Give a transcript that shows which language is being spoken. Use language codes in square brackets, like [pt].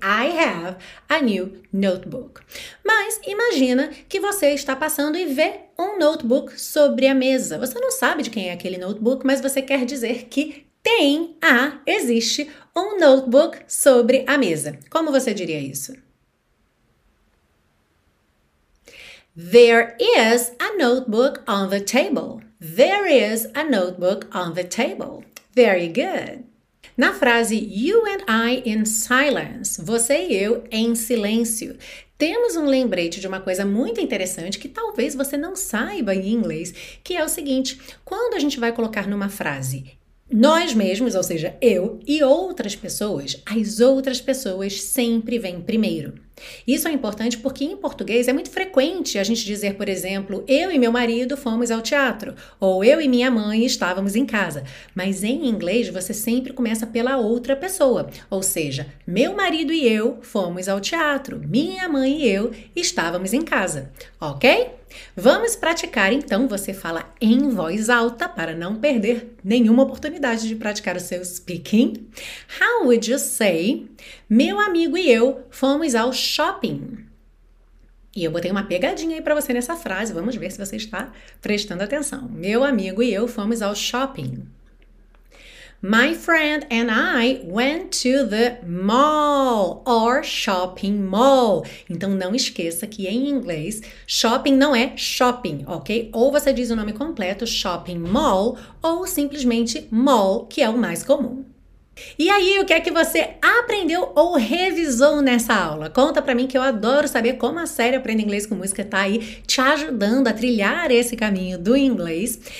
[en] I have a new notebook. [pt] Mas imagina que você está passando e vê um notebook sobre a mesa. Você não sabe de quem é aquele notebook, mas você quer dizer que tem, existe um notebook sobre a mesa. Como você diria isso? [en] There is a notebook on the table. There is a notebook on the table. Very good. [pt] Na frase [en] you and I in silence, [pt] você e eu em silêncio, temos um lembrete de uma coisa muito interessante que talvez você não saiba em inglês, que é o seguinte: quando a gente vai colocar numa frase nós mesmos, ou seja, eu e outras pessoas, as outras pessoas sempre vêm primeiro. Isso é importante porque em português é muito frequente a gente dizer, por exemplo, eu e meu marido fomos ao teatro, ou eu e minha mãe estávamos em casa. Mas em inglês você sempre começa pela outra pessoa, ou seja, meu marido e eu fomos ao teatro, minha mãe e eu estávamos em casa, ok? Vamos praticar então, você fala em voz alta para não perder nenhuma oportunidade de praticar o seu speaking. [en] How would you say, [pt] meu amigo e eu fomos ao shopping. E eu botei uma pegadinha aí para você nessa frase. Vamos ver se você está prestando atenção. Meu amigo e eu fomos ao shopping. [en] My friend and I went to the mall or shopping mall. [pt] Então não esqueça que em inglês shopping não é shopping, ok? Ou você diz o nome completo shopping mall ou simplesmente mall, que é o mais comum. E aí, o que é que você aprendeu ou revisou nessa aula? Conta pra mim que eu adoro saber como a série Aprenda Inglês com Música tá aí te ajudando a trilhar esse caminho do inglês.